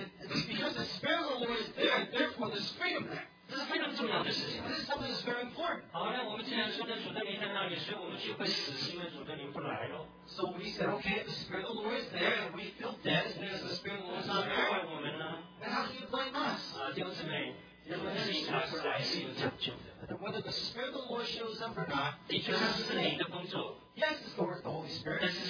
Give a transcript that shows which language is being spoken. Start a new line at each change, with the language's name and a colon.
English: It's because the Spirit of the Lord is there, therefore there's freedom there.
Chinese: 这是非常重要的事情。
English: This is something that's very important.
Chinese: 好，那我们既然说的主的灵在那里，所以我们就会死，是因为主的灵不来了。
English: So we said, okay, the Spirit of the Lord is there, and we feel dead, because the Spirit of the Lord is not there.
Chinese: 怪我们呢？
English: 那 how can you blame us?
Chinese: 弟兄姊妹，
English: And whether the Spirit of the Lord shows up or not, yes, it's the work of the Holy Spirit.